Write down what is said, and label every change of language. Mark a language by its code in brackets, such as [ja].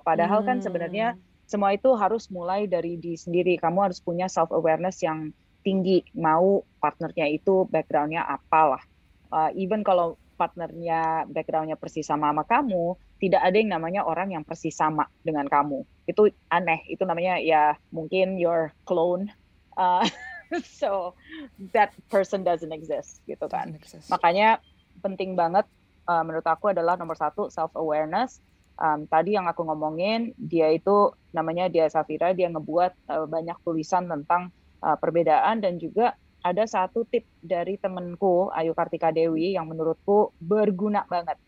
[id] Padahal kan sebenarnya semua itu harus mulai dari diri sendiri. Kamu harus punya self-awareness yang tinggi, mau partnernya itu background-nya apalah. Even kalau partnernya background-nya persis sama kamu, tidak ada yang namanya orang yang persis sama dengan kamu. Itu aneh, itu namanya ya mungkin your clone. [en] So that person doesn't exist, gitu kan. [id] Makanya penting banget menurut aku adalah nomor satu, self-awareness. Tadi yang aku ngomongin, dia itu namanya Dia Safira, dia ngebuat banyak tulisan tentang perbedaan, dan juga ada satu tip dari temanku Ayu Kartika Dewi yang menurutku berguna banget.